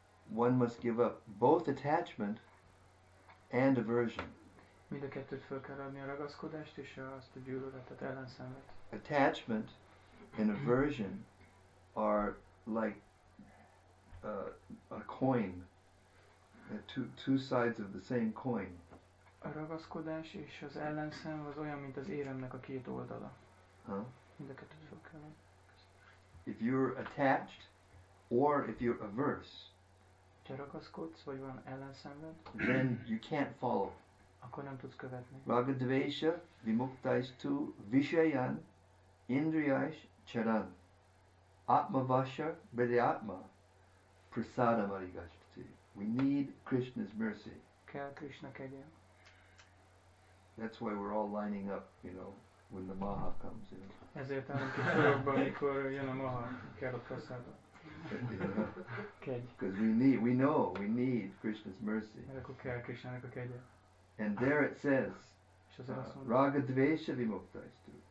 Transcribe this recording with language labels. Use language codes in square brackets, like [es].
[en] One must give up both attachment and aversion. [hu] Mind a kettőt fel kell adni, a ragaszkodást és azt a gyűlöletet, ellenszenvet. [en] Attachment and aversion are like a coin, two sides of the same coin. [hu] A ragaszkodás és az ellenszenv az olyan, mint az éremnek a két oldala. Mind a kettőt fel kell adni. [en] If you're attached or if you're averse, [hu] ha ragaszkodsz vagy van ellenszenved, [en] then you can't follow. [hu] Akkor nem tudsz követni. [sa] Raga dvesha vimukta is tu visayan indriyash charan atma vasha vidyatma prasada marigashti. [en] We need Krishna's mercy. [hu] Kell Krishna kegye. [en] That's why we're all lining up, you know, when the maha comes in. [hu] Ezért állunk a sorokban, amikor jön a maha, kell a prasada. Kegy. [en] Because we need Krishna's mercy. [hu] Mert akkor kell Krishna-nak a kegye. [en] And there it says, [sa] raga dvesha vimukta istu.